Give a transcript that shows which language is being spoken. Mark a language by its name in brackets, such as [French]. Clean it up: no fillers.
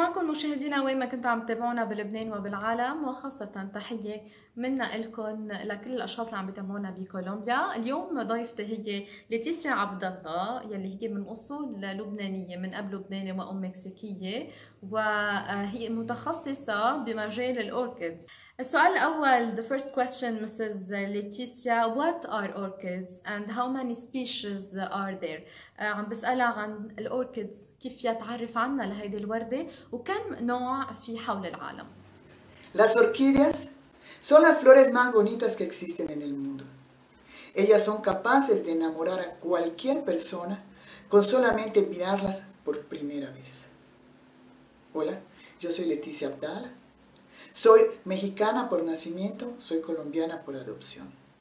[Arabic] مشاهدينا وين ما كنتوا عم تتابعونا بلبنان وبالعالم، وخاصة تحية منا لكم لكل الأشخاص اللي عم بتابعونا بكولومبيا. اليوم ضيفتي هي ليتيسيا عبد الله، يلي هي من أصول لبنانية، من أب لبناني وأم مكسيكية، وهي متخصصة بمجال الأوركيدز. السؤال الأول، [English] the first question, Mrs. Leticia, what are orchids and how many species are there? [Arabic] عم بسألها عن الأوركيدز، كيف يتعرف عنا لهذه الوردة وكم نوع في حول العالم؟ [Spanish] Las orquídeas son las flores más bonitas que existen en el mundo. Ellas son capaces de enamorar a cualquier persona con solamente mirarlas por primera vez. Hola, yo soy Leticia Abdala. Soy mexicana por nacimiento, soy colombiana por adopción.